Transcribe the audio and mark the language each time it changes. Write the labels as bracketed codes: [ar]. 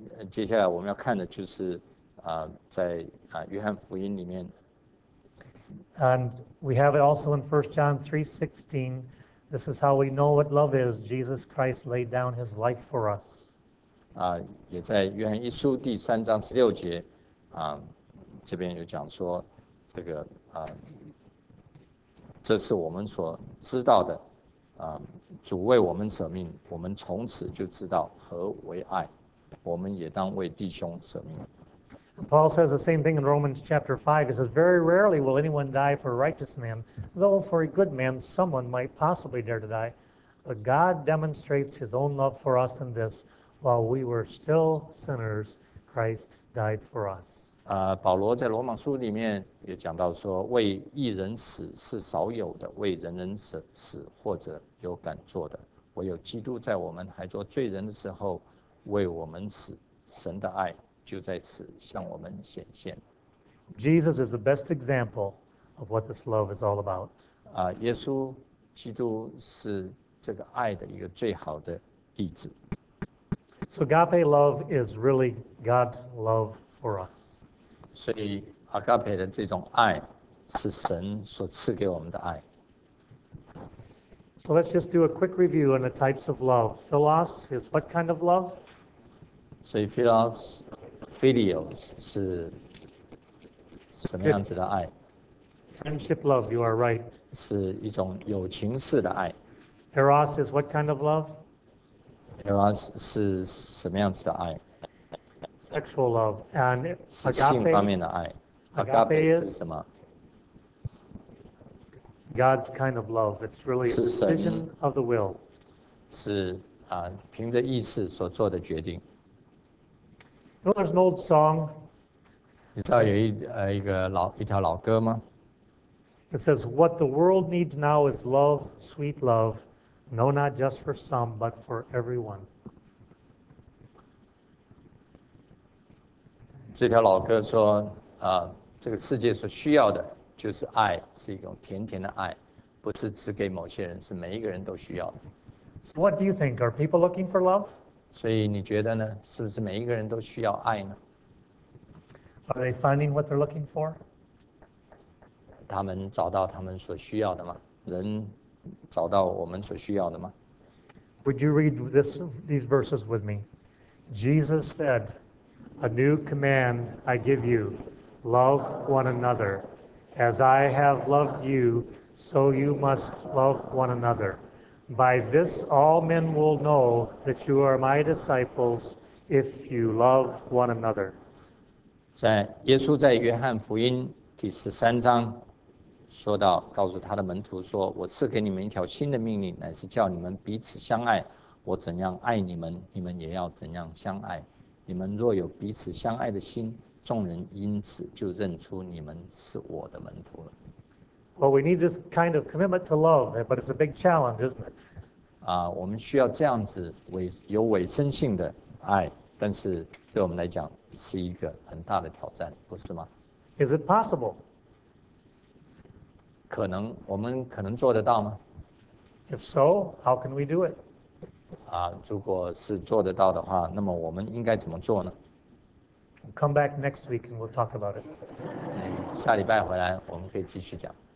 [zh] 接下来我们要看的就是在约翰福音里面。 [en] And we have it also in 1 John 3:16. This is how we know what love is. Jesus Christ laid down his life for us. [zh] 也在约翰一书第三章十六节，这边有讲说，这个这是我们所知道的，主为我们舍命，我们从此就知道何为爱，我们也当为弟兄舍命。 [en] Paul says the same thing in Romans chapter 5. He says, very rarely will anyone die for a righteous man, though for a good man someone might possibly dare to die. But God demonstrates his own love for us in this. While we were still sinners, Christ died for us. [zh] 保罗在罗马书里面也讲到说，为一人死是少有的，为人人死或者有敢做的。唯有基督在我们还做罪人的时候为我们死，神的爱就在此向我们显现。 [en] Jesus is the best example of what this love is all about. [zh] 耶稣基督是这个爱的一个最好的例子。 [en] So agape love is really God's love for us. [zh] 所以 agape 的这种爱是神所赐给我们的爱。 [en] So let's just do a quick review on the types of love. Philos is what kind of love? [zh] 所以 Philos 是什么样子的爱？ [en] Friendship love, you are right. [zh] 是一种友情式的爱。 [en] Eros is what kind of love? [zh] Eros 是什么样子的爱？ [en] Sexual love and agape, [zh] 是性方面的爱。 [en] Agape [zh] 是什么？ [en] God's kind of love. It's really a decision of the will. [zh] 是凭着意志所做的决定。 [en] You know, there's an old song. [zh] 你知道有一条老歌吗？ [en] It says, what the world needs now is love, sweet love, no, not just for some, but for everyone. [zh] 这条老歌说，这个世界所需要的就是爱，是一种甜甜的爱，不是只给某些人，是每一个人都需要的。 [en] So what do you think? Are people looking for love? [zh] 所以你觉得呢？是不是每一个人都需要爱呢？ [en] Are they finding what they're looking for? [zh] 他们找到他们所需要的吗？人找到我们所需要的吗？ [en] Would you read these verses with me? Jesus said, a new command I give you, love one another. As I have loved you, so you must love one another. By this, all men will know that you are my disciples if you love one another. [zh] 在耶稣在约翰福音第十三章说到，告诉他的门徒说：“我赐给你们一条新的命令，乃是叫你们彼此相爱。我怎样爱你们，你们也要怎样相爱。你们若有彼此相爱的心，众人因此就认出你们是我的门徒了。” [en] Well, we need this kind of commitment to love, but it's a big challenge, isn't it? [zh] 我们需要这样子有委身性的爱，但是对我们来讲是一个很大的挑战，不是吗？ [en] Is it possible? [zh] 可能，我们可能做得到吗？ [en] If so, how can we do it? [zh] 如果是做得到的话，那么我们应该怎么做呢？ [en] Come back next week and we'll talk about it. [zh] 下礼拜回来我们可以继续讲。